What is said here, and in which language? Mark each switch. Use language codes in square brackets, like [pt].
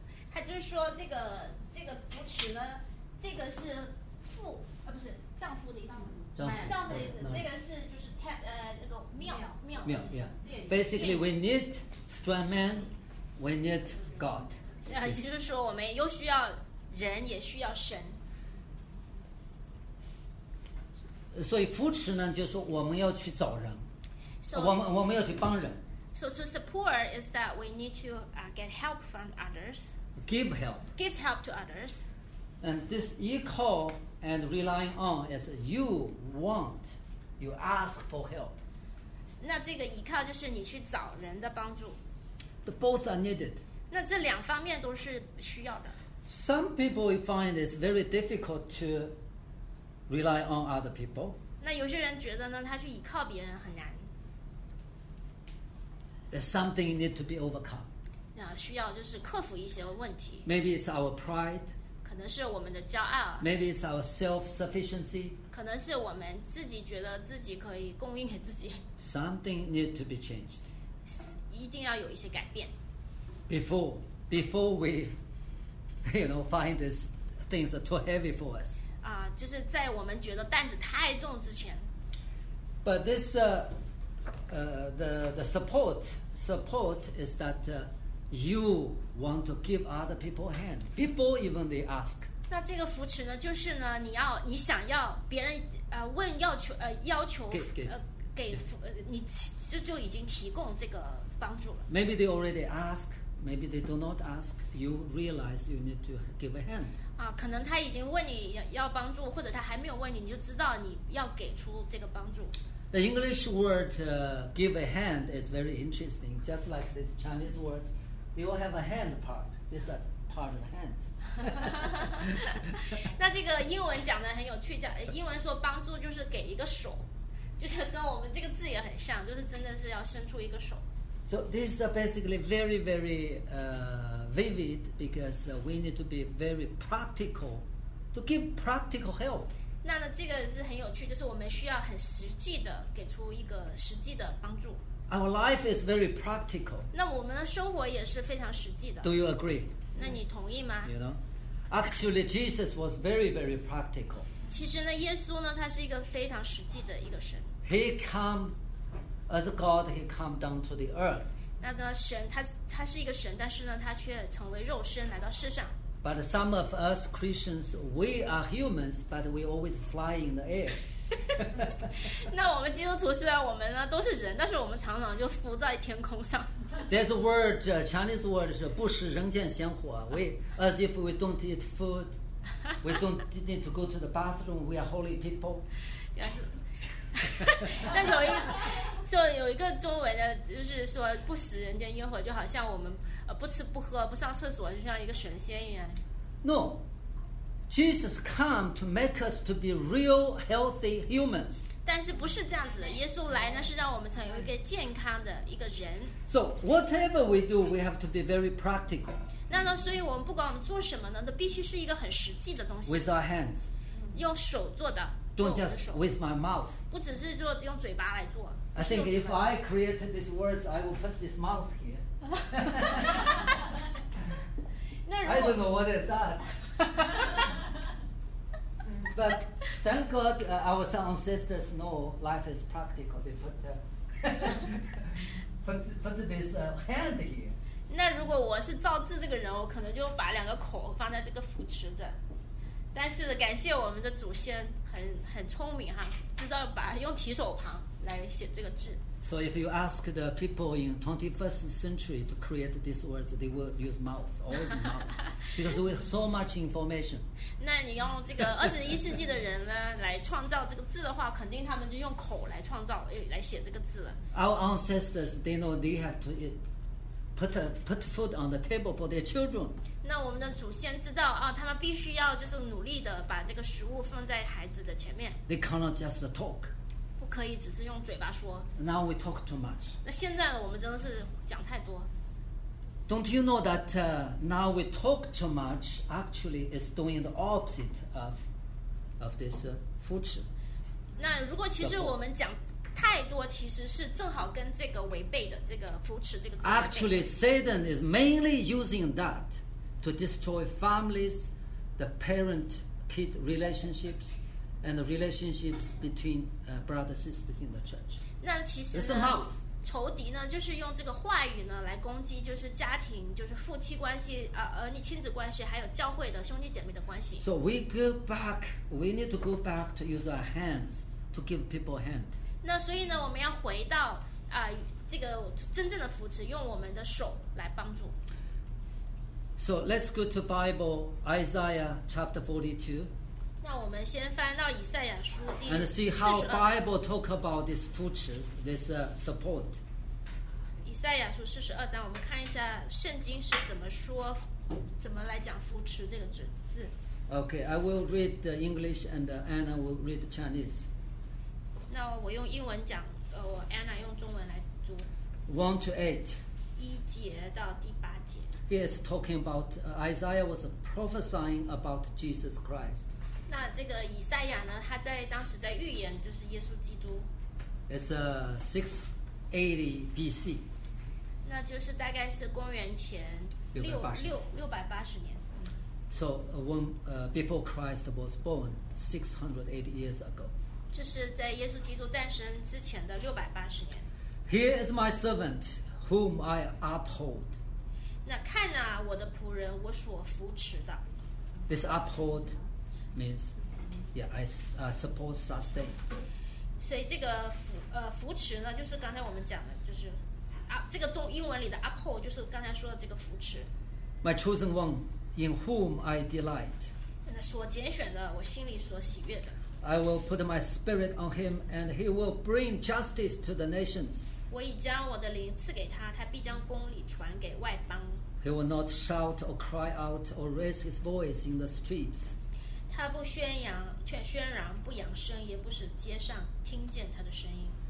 [zh] 他就是说这个扶持呢，这个是父不是丈夫的意思。丈夫的意思。 [en] No. [zh] 这个是就是那个庙。庙。 [en] Yeah. Basically, we need strong man. We need God. [zh] 就是说我们又需要人，也需要神。所以扶持呢，就是说我们要去找人， [en] so, [zh] 我们要去帮人。 [en] So to support is that we need to get help from others. Give help. Give help to others. And this 依靠 and relying on is you want, you ask for help. [zh] 那这个依靠就是你去找人的帮助。 [en] The both are needed. [zh] 那这两方面都是需要的。 [en] Some people find it's very difficult to. Rely on other people. [zh] 那有些人觉得呢，他去依靠别人很难。 [en] There's something need to be overcome. [zh] 需要就是克服一些问题。 [en] Maybe it's our pride. [zh] 可能是我们的骄傲。 [en] Maybe it's our self-sufficiency. [zh] 可能是我们自己觉得自己可以供应给自己。 [en] Something needs to be changed. [zh] 一定要有一些改变。 [en] Before we, you know, find these things are too heavy for us. [zh] 就是在我们觉得担子太重之前。 [en] But this, the support is that, you want to give other people a hand before even they ask. [zh] 那这个扶持呢，就是呢，你想要别人问要求要求给你就已经提供这个帮助了。 [en] Maybe they already ask, maybe they do not ask. You realize you need to give a hand. [zh] 可能他已经问你要帮助，或者他还没有问你，你就知道你要给出这个帮助。 [en] The English word, give a hand is very interesting. Just like this Chinese word, you will have a hand part. This is a part of the hand. [zh] 那这个英文讲的很有趣，英文说帮助就是给一个手，就是跟我们这个字也很像，就是真的是要伸出一个手。 [en] So this is basically very, very, vivid because we need to be very practical to give practical help. [zh] 那呢，这个是很有趣，就是我们需要很实际的给出一个实际的帮助。 [en] Our life is very practical. [zh] 那我们的生活也是非常实际的。 [en] Do you agree? [zh] 那你同意吗？ [en] You know, actually, Jesus was very, very practical. [zh] 其实呢，耶稣呢，他是一个非常实际的一个神。 [en] He came as God. He came down to the earth. [zh] 那个神，他是一个神，但是呢，他却成为肉身来到世上。 [en] But some of us Christians, we are humans, but we always fly in the air. [zh] 那我们基督徒虽然我们呢都是人，但是我们常常就浮在天空上。 [en] There's a word, Chinese word is [zh] 不食人间烟火。 [en] We as if we don't eat food, we don't need to go to the bathroom. We are holy people. Yes. [zh] 那有一个周围的，就是说不食人间烟火，就好像我们。不吃不喝不上厕所，就像一个神仙一样。 [en] No, Jesus came to make us to be real healthy humans. [zh] 但是不是这样子的？耶稣来呢，是让我们成为一个健康的一个人。 [en] So whatever we do, we have to be very practical. [zh] 那呢，所以我们不管我们做什么呢，都必须是一个很实际的东西。 [en] With our hands. [zh] 用手做的。 [en] Don't just with my mouth. [zh] 不只是做用嘴巴来做。 [en] I think if I created these words, I will put this mouth here. I don't know what is that. But thank God, our ancestors know life is practical. They put this hand here. [zh] 那如果我是造字这个人，我可能就把两个口放在这个扶持的。但是感谢我们的祖先很聪明哈，知道把用提手旁来写这个字。 [en] So if you ask the people in 21st century to create these words, they will use mouth, always mouth, because we have so much information. [zh] 那你用这个二十一世纪的人呢来创造这个字的话，肯定他们就用口来创造，来写这个字了。 [en] Our ancestors, they know they have to put food on the table for their children. [zh] 那我们的祖先知道啊，他们必须要就是努力的把这个食物放在孩子的前面。 [en] They cannot just talk. [zh] 可以只是用嘴巴说。 [en] Now we talk too much. [zh] 那现在呢，我们真的是讲太多。 [en] Don't you know that, now we talk too much actually is doing the opposite of this, 扶持。 [zh] 那如果其实我们讲太多，其实是正好跟这个违背的，这个扶持这个字。 [en] Actually, Satan is mainly using that to destroy families, the parent-kid relationships. And the relationships between brothers and sisters in the church. [zh] 那其实呢，仇敌呢，就是用这个话语呢来攻击，就是家庭，就是夫妻关系，儿女亲子关系，还有教会的兄弟姐妹的关系。 [en] So we go back. We need to go back to use our hands to give people a hand. [zh] 那所以呢，我们要回到这个真正的扶持，用我们的手来帮助。 [en] So let's go to Bible Isaiah chapter 42. [zh] 那我们先翻到以赛亚书第42 [en] And see how Bible talk about this 扶持 this support. [zh] 以赛亚书四十二章，我们看一下圣经是怎么说，怎么来讲扶持这个字。 [en] Okay, I will read the English and Anna will read the Chinese. [zh] 那我用英文讲，我 Anna 用中文来读。 [en] 1 to 8. Here it's talking about Isaiah was prophesying about Jesus Christ. [zh] 那这个以赛亚呢，他在当时在预言就是耶稣基督。 [en] It's 680 BC. [zh] 那就是大概是公元前 680年。 [en] So before Christ was born, 680 years ago. [zh] 就是在耶稣基督诞生之前的680年。 [en] Here is my servant whom I uphold. [zh] 那看啊，我的仆人，我所扶持的。 [en] This uphold means, yeah, I suppose sustain. [zh] 所以这个扶持呢，就是刚才我们讲的，就是这个中英文里的 uphold 就是刚才说的这个扶持。 [en] My chosen one, in whom I delight. [zh] 那所拣选的，我心里所喜悦的。 [en] I will put my spirit on him, and he will bring justice to the nations. [zh] 我已将我的灵赐给他，他必将公理传给外邦。 [en] He will not shout or cry out or raise his voice in the streets. [zh] 他不喧嚷，不扬声，也不使街上听见他的声音。